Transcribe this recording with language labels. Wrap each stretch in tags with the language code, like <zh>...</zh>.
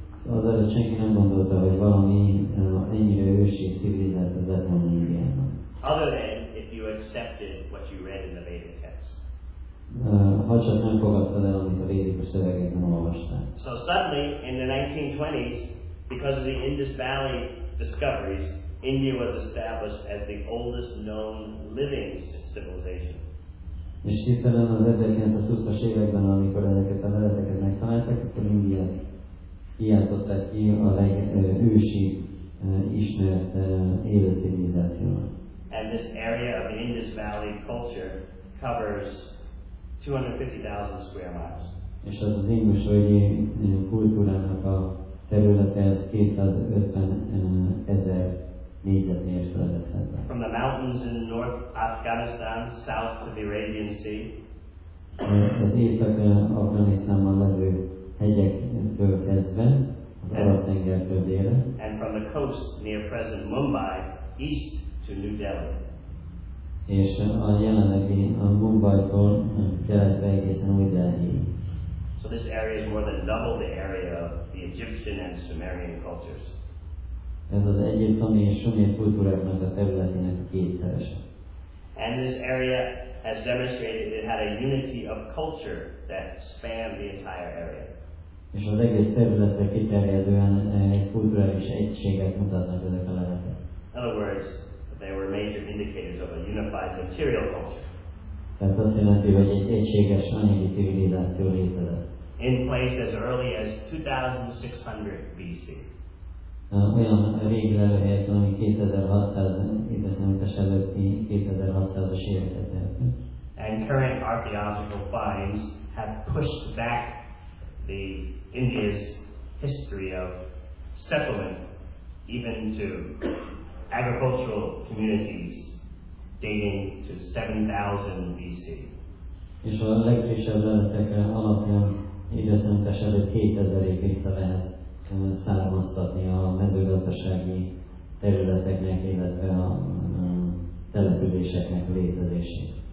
<hu>Az előtt senki nem gondolta, hogy valami ennyire ősi civilizáció lett volna Indiában.</hu> <en>Other than if you accepted what you read in the Vedic texts.</en> <hu>Ha csak nem fogadtad el, amit a védikus szövegekben olvastál.</hu> <en>So suddenly, in the 1920s, because of the Indus Valley discoveries, India was established as the oldest known living civilization.</en> <hu>És hirtelen az 1920-as években, amikor ezeket a leleteket megtalálták, akkor India kiáltották ki a legősi ismert élő civilizációnak.</hu> <en>And this area of the Indus Valley culture covers 250,000 square miles.</en> <hu>És az az Indus-völgyi kultúrának a területe az 250,000 négyzetmérföldet.</hu> <en>From the mountains in North Afghanistan south to the Arabian Sea.</en> <hu>Az Észak-Afganisztánban levő hegyektől kezdve az Arab-tengertől délre.</hu> <en>And from the coast near present Mumbai east to New Delhi.</en> <hu>És a jelenlegi Mumbai-tól keletre egészen Új Delhi.</hu> <en>So this area is more than double the area of the Egyptian and Sumerian cultures.</en> <hu>Ez az egyiptomi és sumér kultúráknak a területének kétszerese.</hu> <en>And this area has demonstrated it had a unity of culture that spanned the entire area.</en> <hu>És az egész területre kiterjedően kulturális egységet mutatnak ezek a leletek.</hu> <en>In other words, they were major indicators of a unified material culture.</en> <hu>Tehát azt jelenti, hogy egy egységes anyagi civilizáció létezett.</hu> <en>In place as early as 2600 BC.</en> <hu>Olyan régi lelőhelyet, ami 2600-as éveket tehető.</hu> <en>And current archaeological finds have pushed back the India's history of settlement even to agricultural communities dating to 7000 BC.</en> <hu>És a legfrissebb leletek alapján időszámítás előtt 2000-ig vissza lehet származtatni a mezőgazdasági területeknek, illetve a településeknek létezését.</hu>